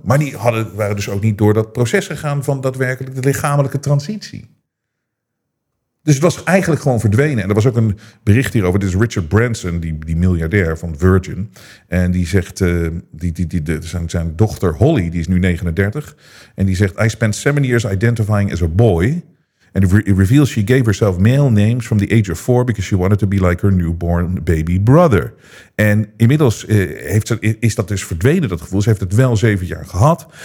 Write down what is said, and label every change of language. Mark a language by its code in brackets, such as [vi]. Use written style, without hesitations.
[nl] Maar die waren dus ook niet door dat proces gegaan van daadwerkelijk de lichamelijke transitie. Dus het was eigenlijk gewoon verdwenen. En er was ook een bericht hierover. Dit is Richard Branson, die miljardair van Virgin. En die zegt, zijn dochter Holly, die is nu 39. En die zegt, [en] I spent 7 years identifying as a boy. And it reveals she gave herself male names from the age of 4 because she wanted to be like her newborn baby brother. [nl] En inmiddels is dat dus verdwenen, dat gevoel. Ze heeft het wel 7 jaar gehad.